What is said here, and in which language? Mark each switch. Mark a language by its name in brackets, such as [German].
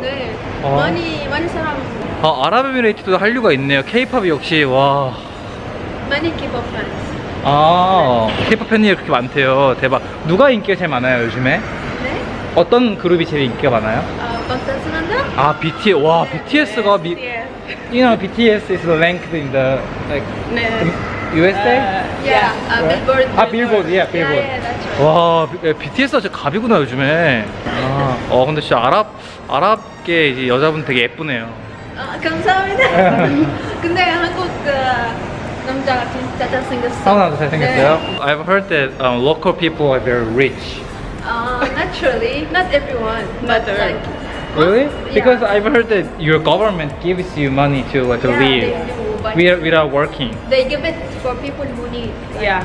[Korean] 네. 아. 많이 사람. 아, 아랍에미레이트도 한류가 있네요. K-POP 역시 와. 많이 K-POP 팬스. 아, 네. K-POP 팬이 그렇게 많대요. 대박. 누가 인기가 제일 많아요, 요즘에? 네. 어떤 그룹이 제일 인기가 많아요? 방탄소년단? 아, BTS. 와, 네, BTS가 네, 미 [English] You know, BTS is ranked in the like [Korean] 네. [English] USA? Yeah. Right? Billboard. 아, Billboard. Yeah, Billboard. Yeah, yeah, right. [Korean] 와, BTS가 진짜 갑이구나, 요즘에. 아, 어, 근데 진짜 아랍계 이제 여자분 되게 예쁘네요. 아, 감사합니다. 근데 한국 그 남자가 진짜 잘생겼어. 한국 남자 잘생겼어요? 네. [English] I've heard that local people are very rich. Naturally, not everyone, but like Really? Because yeah. I've heard that your government gives you money to like to live without working. They give it for people who need. Like, yeah.